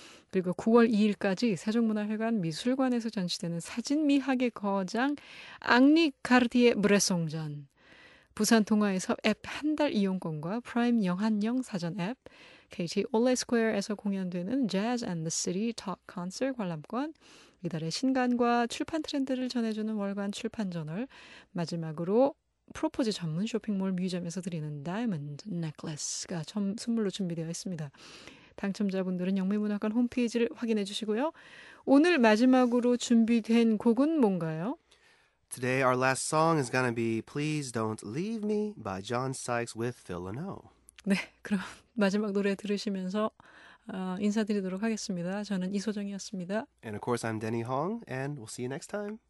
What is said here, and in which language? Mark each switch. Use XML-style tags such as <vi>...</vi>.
<ko>그리고 9월 2일까지 세종문화회관 미술관에서 전시되는 사진 미학의 거장 앙리 카르디에 브레송전, 부산 통화에서 앱 한 달 이용권과 프라임 영한영 사전 앱, KT 올레스퀘어에서 공연되는 Jazz and the City Talk Concert 관람권, 이달의 신간과 출판 트렌드를 전해주는 월간 출판저널, 마지막으로 프로포즈 전문 쇼핑몰 뮤지엄에서 드리는 다이아몬드 넥클레스가 선물로 준비되어 있습니다. 당첨자분들은 영미문학관 홈페이지를 확인해 주시고요. 오늘 마지막으로 준비된 곡은 뭔가요?</ko> <en>Today, our last song is gonna be Please Don't Leave Me by John Sykes with Phil Lynott.</en> <ko>네, 그럼 마지막 노래 들으시면서 인사드리도록 하겠습니다. 저는 이소정이었습니다.</ko> <en>And of course, I'm Denny Hong, and we'll see you next time.</en>